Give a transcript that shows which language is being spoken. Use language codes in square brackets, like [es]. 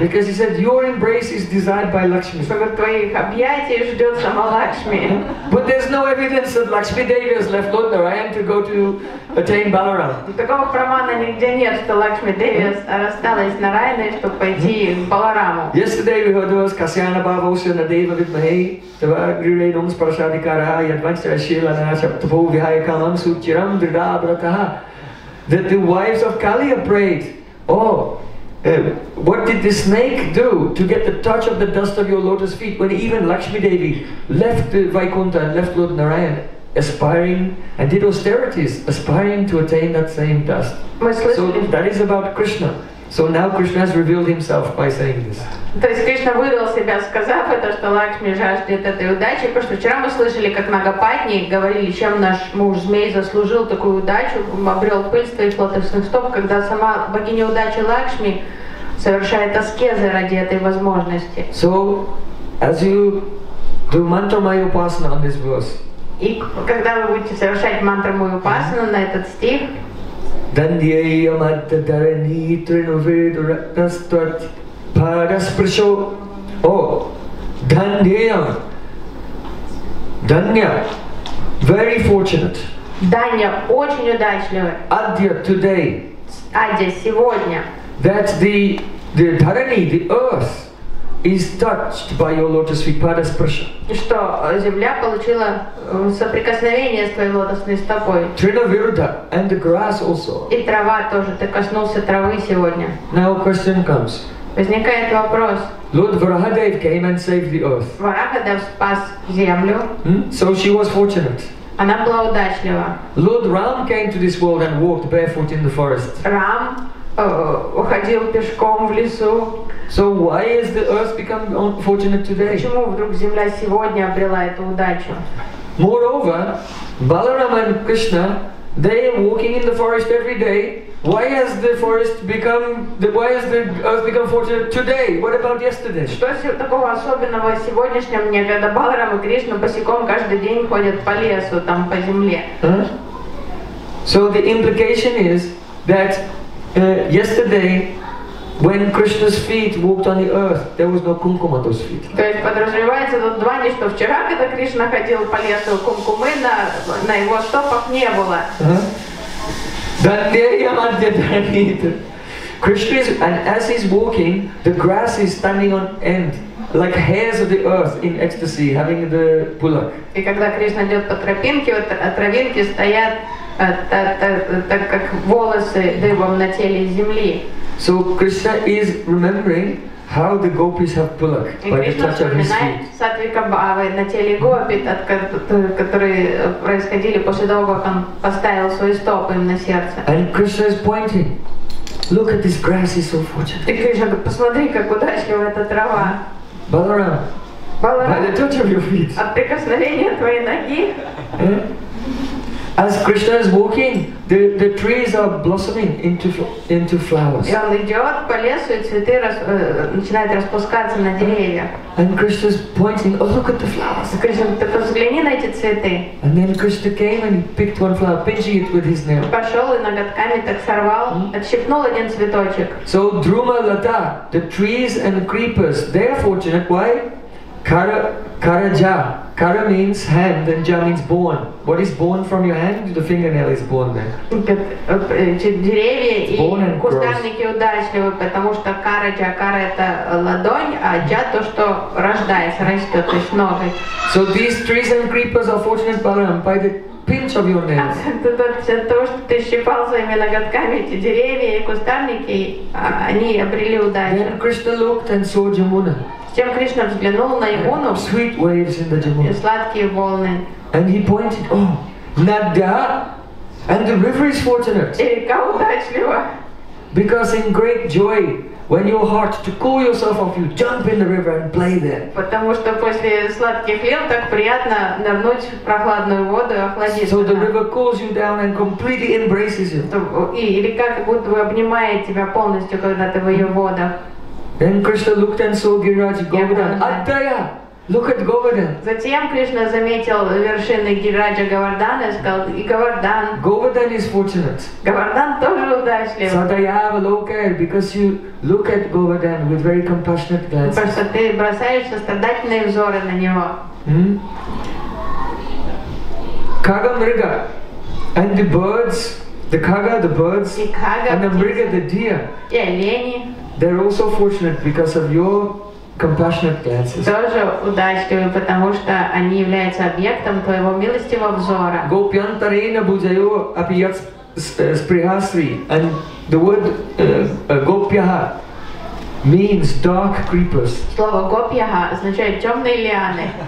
[en] Because he said, your embrace is desired by Lakshmi. [ru] Что говорит, твоих объятий ждет сама Лакшми. [en] But there's no evidence that Lakshmi Devi has left Lord Narayan to go to attain Balaram. [ru] Такого прамана нигде нет, что Лакшми Деви рассталась на Райной, чтобы пойти в Балараму. [en] Yesterday we heard those Kasyana Baba also in the Deva with me. [sa] Tava Grire Dums Prasadikara, Yadvanshya Shila Nasha, Tavu Vihaya Kalam Suchiram Drida Abrataha. [en] That the wives of Kali are prayed. Oh, what did the snake do to get the touch of the dust of your lotus feet when even Lakshmi Devi left the Vaikuntha and left Lord Narayan? Aspiring and did austerities, aspiring to attain that same dust. So that is about Krishna. So now Krishna has revealed himself by saying this. [ru] То есть Кришна вывел себя, сказав это, что Лакшми жаждет этой удачи, потому что вчера мы слышали, как Нагапатни говорили, чем наш муж змей заслужил такую удачу, обрел пыль своих лотосных стоп, когда сама богиня удачи Лакшми совершает аскезы ради этой возможности. [en] So as you do mantra maya upasana on this verse. [ru] И когда вы будете совершать мантру мою упасану на этот стих. [sa] Дандия мадда дарани тринуведу ратнастват параспришо. О, дандия. Данья. [en] Very fortunate. [ru] Данья, очень удачливый. [en] Адья, today. [ru] Адья, сегодня. [en] That the дарани, the earth. Is touched by your lotus feet, Padaspersha. [ru] Что земля получила соприкосновение с твоей лотосной стопой. [en] Tridavirudha and the grass also. [ru] И трава тоже. Ты коснулся травы сегодня. [en] Now question comes. [ru] Возникает вопрос. [en] Lord Varahadev came and saved the earth. [ru] Varahadev спас землю. [en] So she was fortunate. [ru] Она была удачлива. [en] Lord Ram came to this world and walked barefoot in the forest. [ru] Рам уходил пешком в лесу. [en] So why has the earth become unfortunate today? [ru] Почему вдруг земля сегодня обрела эту удачу? [en] Moreover, Balaram and Krishna, they are walking in the forest every day. Why has the forest become the why has the earth become fortunate today? What about yesterday? [ru] Что такого особенного в сегодняшнем дне, когда Баларам и Кришна босиком каждый день ходят по лесу, там по земле? [en] So the implication is that yesterday, when Krishna's feet walked on the earth, there was no kumkum on those feet. [ru] То есть подразумевается тут два не что вчера, когда Кришна ходил по лесу, кумкумы на его стопах не было. [sa] Dandeyam adya dhanita. [en] Krishna is, and as he's walking, the grass is standing on end, like hairs of the earth in ecstasy, having the pulak. [ru] И когда Кришна идет по тропинке, вот травинки стоят. Так как волосы дыбом на теле земли. [en] So Krishna is remembering how the gopis have pulak by the touch of his feet. [ru] Сатвика Бхавы на теле гопи, которые происходили после того, как он поставил свои стопы им на сердце. [en] And Krishna is pointing. Look at this grass, it's so fortunate. [ru] И Кришна, посмотри, как удачлива эта трава. Баларам. Баларам. [en] By the touch of your feet. [ru] От прикосновения твоей ноги. [en] As Krishna is walking, the trees are blossoming into flowers. [ru] И он идет по лесу, и цветы начинают распускаться на деревьях. [en] And Krishna is pointing, oh look at the flowers. [ru] Кришна, ты посмотри на эти цветы. [en] And then Krishna came and picked one flower, pinching it with his nail. [ru] Пошел и ноготками так сорвал, отщипнул один цветочек. [en] So Druma Lata, the trees and the creepers, they are fortunate. Why? Karaja. Kara means hand and ja means born. What is born from your hand? The fingernail is born there. [ru] Деревья и кустарники удачливы, потому что кара-джа, кара это ладонь, а джа то, что рождается, растет, то есть ноги. [en] So these trees and creepers are fortunate, Balaram, by the pinch of your nails. [ru] То, что ты щипал своими ноготками эти деревья и кустарники, они обрели удачу. [en] Then Krishna looked and saw Jamuna. [ru] Затем Кришна взглянул на Ямуну. [en] Sweet waves in the Jamuna. [ru] Сладкие волны. [en] And he pointed, oh, Nadya, and the river is fortunate. [ru] И река удачлива. [en] Because in great joy, when your heart to cool yourself off, you jump in the river and play there. [ru] Потому что после сладких лил так приятно нырнуть в прохладную воду и охладиться. [en] So the river cools you down and completely embraces you. [ru] И река как будто бы обнимает тебя полностью, когда ты в ее водах. [en] Then Krishna looked and saw Giriraj Govardhan. Adaya! Look at Govardhan. [ru] Затем Кришна заметил вершины Гирираджа Говардхана и сказал, и Говардхан. [en] Govardhan is fortunate. [ru] Говардхан тоже удачлив. [sa] Sadaya avalokaya, [en] because you look at Govardhan with very compassionate glances. [ru] Потому что ты бросаешь сострадательные взоры на него. [en] Kaga Mriga. And the birds The kaga, the birds, [ru] и кага, [en] and the mriga, the deer. [ru] И олени. [en] They're also fortunate because of your compassionate glances. [ru] Тоже удачливы, потому что они являются объектом твоего милостивого взора. [sa] Гопьянтарена буджайо апият сприхасри. [en] And the word гопьяха means dark creepers. [ru] Слово гопьяха означает темные лианы.